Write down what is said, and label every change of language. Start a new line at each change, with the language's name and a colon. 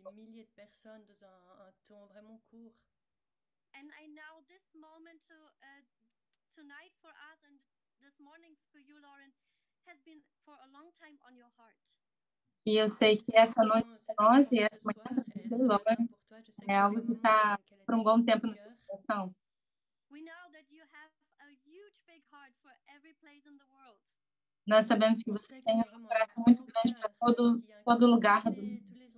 French: Milliers de personnes dans un temps vraiment court.
English: And I know this moment tonight for us and this morning for you, Lauren, has been for a long time on your heart.
Portuguese: E eu sei que essa noite para nós e essa manhã para você, Lauren, é algo que está por um bom tempo no meu coração.
English: We know that you have a huge big heart for every place in the world.
Portuguese: Nós sabemos que você tem um coração muito grande para todo lugar do mundo.